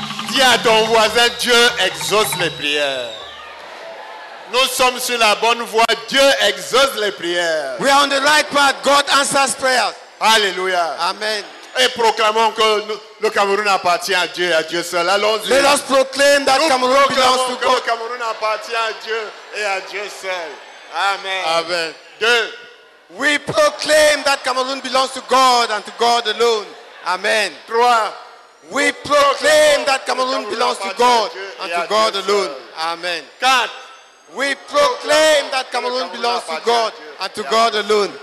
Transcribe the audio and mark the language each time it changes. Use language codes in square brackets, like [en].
[fr] Dis à ton voisin, Dieu exauce les prières. Nous sommes sur la bonne voie, Dieu exauce les prières. [en] We are on the right path, God answers prayers. Alléluia. Amen. [fr] Et proclamons que le Cameroun appartient à Dieu et à Dieu seul. Allons-y. [en] Let us proclaim that Cameroun belongs to God. [fr] Le Cameroun appartient à Dieu et à Dieu seul. Amen. Amen. Deux. [en] We proclaim that Cameroun belongs to God and to God alone. Amen. [fr] Trois. [en] We proclaim that Cameroun belongs to God and to God alone. Amen. [fr] Quatre. [en] We proclaim that Cameroun belongs to God and to God alone.